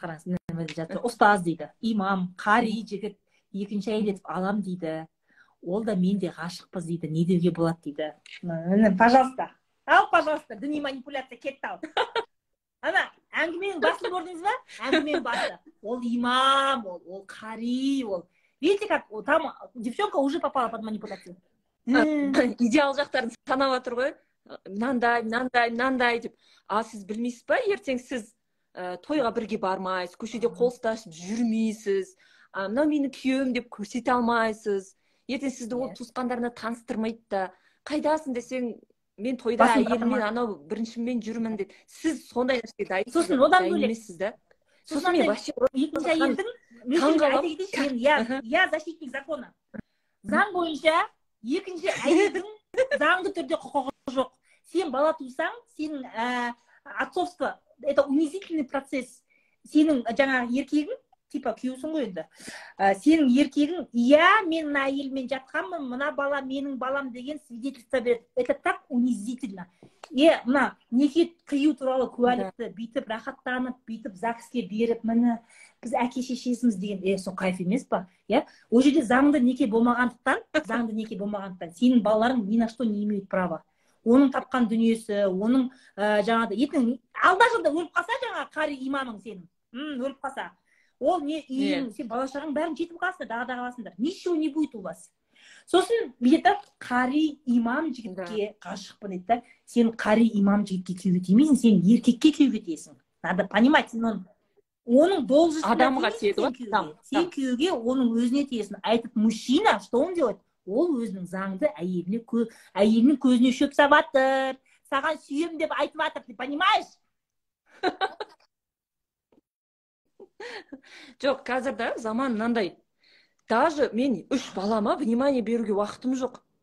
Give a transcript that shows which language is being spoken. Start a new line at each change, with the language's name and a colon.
Kazakh: қарасын, ұстаз дейді, имам, қари жігіт екінші әйел етіп алам дейді, ол да мен де ғашықпыз дейді, не деуге болады дейді. Міне пожалуйста, ал пожалуйста, діни манипуляция кетті ау. Ана әңгіменің басын көрдіңіз ба? Әңгіменің басы. Ол имам, ол қари, ол.
Russian: Видите, как там девчонка уже попала под манипуляцию.
Kazakh: Идеал жақтарын санап отыр ғой. Мынандай, мынандай, мынандай деп. А сіз білмейсіз ба? Ертең сіз тойға бірге бармайсыз, көшеде қол ұстасып жүрмейсіз. А мынау менің күйеуім деп көрсете алмайсыз. Ертең сізді ол туысқандарына таныстырмайды да. Қайдасың десең, мен тойда әйеліммен анау біріншіммен жүрмін деп, сіз сондай нәрсеге дайынсыз. Сосын одан бөлек емессіз да. Сосын мен екінші әйелдің
Russian: я защитник закона.
Kazakh: Заң бойынша екінші әйелдің заңды түрде құқығы жоқ. Сен бала тусаң, сенің
Russian: отцовство это унизительный процесс.
Kazakh: Сенің жаңағы еркегің типа күйеусің ғой енді, сенің еркегің мен мына әйелмен жатқанмын, мына бала менің балам деген свидетельство береді.
Russian: Это так унизительно.
Kazakh: Мына неке қию туралы куәлікті бүйтіп рахаттанып, бүйтіп загске беріп, міне біз әке шешесіміз деген сол кайф емес па? Ол жерде заңды неке болмағандықтан сенің балаларың
Russian: ни на что не имеют права.
Kazakh: Оның тапқан дүниесі, оның жаңағыдай етің алда жылда өліп қалса, жаңағы қари имамың сенің өліп қалса, ол не үйің, сен бала шағаң бәрің жетіп қаласыңдар, дағы дағы аласыңдар,
Russian: ничего не будет у вас.
Kazakh: Сосын бүйтеді, қари имам жігітке ғашықпын дейді да, сен қари имам жігітке күйеуге тимейсің, сен еркекке күйеуге тиесің.
Russian: Надо понимать,
Kazakh: сен оның должностьына, адамға тиеді ғой, сен күйеуге оның өзіне тиесің. Айтып
Russian: мужчина что он делает,
Kazakh: ол өзінің заңды әйеліне, әйелінің көзіне шөп салып жатыр, саған сүйемін деп айтып жатыр,
Russian: ты понимаешь?
Kazakh: Жоқ, қазір да заман мынандай, даже мен үш балама внимание беруге уақытым жоқ.